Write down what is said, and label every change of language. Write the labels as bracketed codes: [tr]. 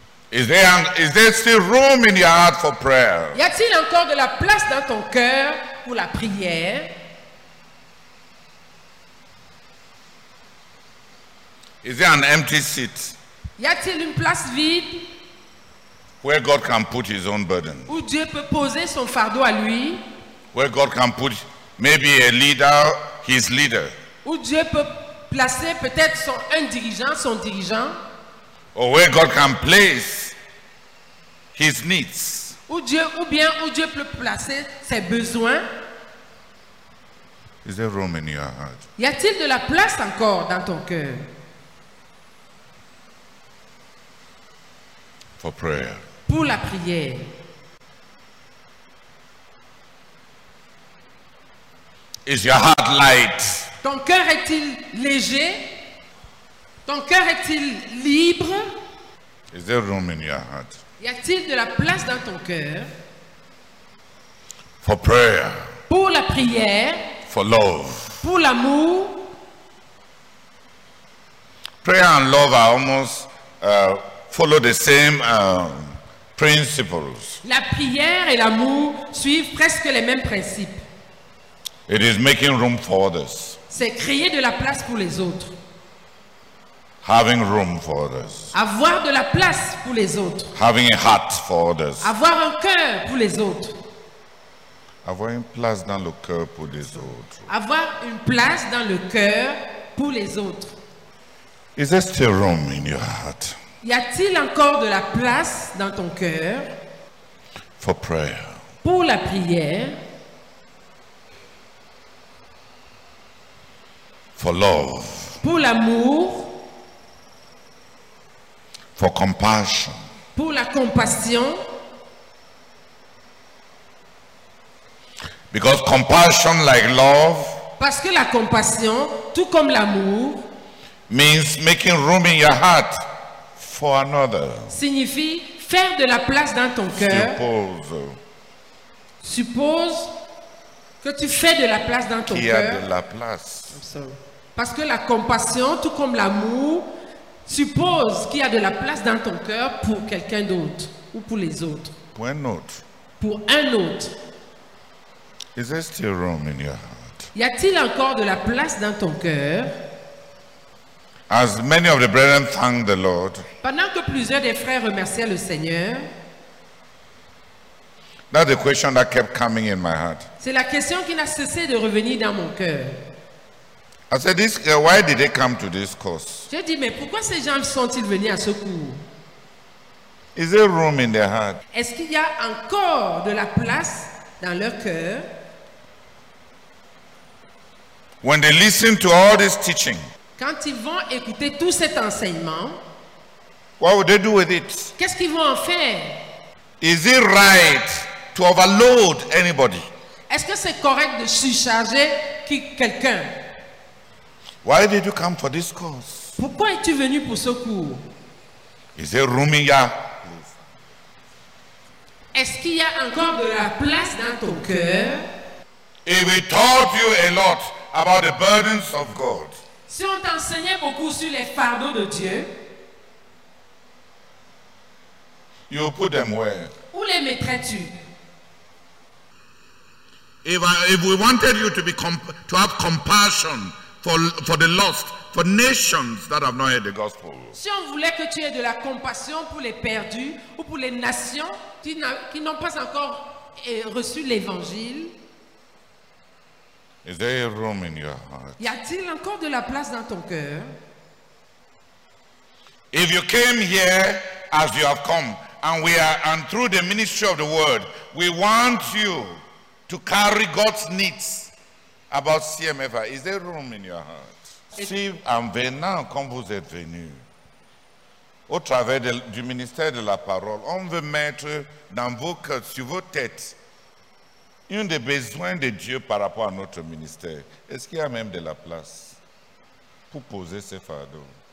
[en] Is there still room in your heart for prayer? [fr] Y a-t-il encore de la place dans ton cœur pour la prière? [en] Is there an empty seat? [fr] Y a-t-il une place vide? [en] Where God can put his own burden. [fr] Où Dieu peut poser son fardeau à lui? [en] Where God can put maybe a leader, his leader. [fr] Où Dieu peut placer peut-être un dirigeant, son dirigeant. [en] Or where God can place his needs. [fr] Ou bien où Dieu peut placer ses besoins. [en] Is there room in your heart? [fr] Y a-t-il de la place encore dans ton cœur? [en] For prayer. [fr] Pour la prière. [en] Is your heart light? [fr] Ton cœur est-il léger? Ton cœur est-il libre? [en] Is there room in your heart? [fr] Y a-t-il de la place dans ton cœur? [en] For prayer. [fr] Pour la prière. [en] For love. [fr] Pour l'amour. [en] Prayer and love are almost follow the same principles. [fr] La prière et l'amour suivent presque les mêmes principes. [en] It is making room for others. [fr] C'est créer de la place pour les autres. [en] Having room for others. [fr] Avoir de la place pour les autres. [en] Having a heart for others. [fr] Avoir un cœur pour les autres. Avoir une place dans le cœur pour les autres. Avoir une place dans le cœur pour les autres. [en] Is there still room in your heart? [fr] Y a-t-il encore de la place dans ton cœur? [en] For prayer. [fr] Pour la prière. [en] For love. [fr] Pour l'amour. [en] For compassion. [fr] Pour la compassion. [en] Because compassion, like love. [fr] Parce que la compassion, tout comme l'amour, [en] means making room in your heart for another. [fr] Signifie faire de la place dans ton cœur. Suppose que tu fais de la place dans ton cœur. Qui a de la place? Parce que la compassion, tout comme l'amour, suppose qu'il y a de la place dans ton cœur pour quelqu'un d'autre ou pour les autres. Pour un autre. Pour un autre. [en] Is there still room in your heart? [fr] Y a-t-il encore de la place dans ton cœur? [en] As many of the brethren thank the Lord. [fr] Pendant que plusieurs des frères remerciaient le Seigneur. [en] That's the question that kept coming in my heart. [fr] C'est la question qui n'a cessé de revenir dans mon cœur. [en] I said, this, why did they come to this course? [fr] J'ai dit, mais pourquoi ces gens sont-ils venus à ce cours? [en] Is there room in their heart? [fr] Est-ce qu'il y a encore de la place dans leur cœur? [en] When they listen to all this teaching, [fr] quand ils vont écouter tout cet enseignement, [en] what would they do with it? [fr] Qu'est-ce qu'ils vont en faire? [en] Is it right to overload anybody? [fr] Est-ce que c'est correct de surcharger quelqu'un? [en] Why did you come for this course? [fr] Pourquoi es-tu venu pour ce cours? [en] Is there room in your... [fr] Est-ce qu'il y a encore de la place dans ton cœur? [en] If we taught you a lot about the burdens of God. [fr] Si on t'enseignait beaucoup sur les fardeaux de Dieu. [en] You put them where? [fr] Où les mettrais-tu? [en] If we wanted you to be to have compassion. For the lost, for nations that have not heard the gospel. [fr] Si on voulait que tu aies de la compassion pour les perdus ou pour les nations qui n'ont pas encore reçu l'évangile. [en] Is there room in your heart? [fr] Y a-t-il encore de la place dans ton cœur? [en] If you came here as you have come, and we are and through the ministry of the word, we want you to carry God's needs. About CMFI, is there room in your heart? [fr] Si en venant, comme vous êtes venu, au travers du ministère de la parole, on veut mettre dans vos cœurs, sur vos têtes, un des besoins de Dieu par rapport à notre ministère. Est-ce qu'il y a même de la place pour poser ces fardeaux?